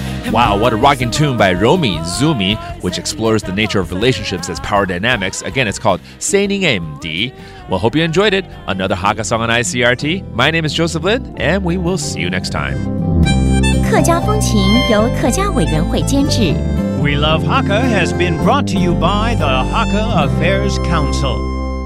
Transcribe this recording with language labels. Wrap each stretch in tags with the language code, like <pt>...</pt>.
<en>Wow, what a rocking tune by Romy, Zoomie, which explores the nature of relationships as power dynamics. Again, it's called 細人仔毋知.Well, hope you enjoyed it. Another Hakka song on ICRT. My name is Joseph Lin, and we will see you next time.</en> <zh>客家风情由客家委员会监制.</zh> <en>We Love Hakka has been brought to you by the Hakka Affairs Council.</en>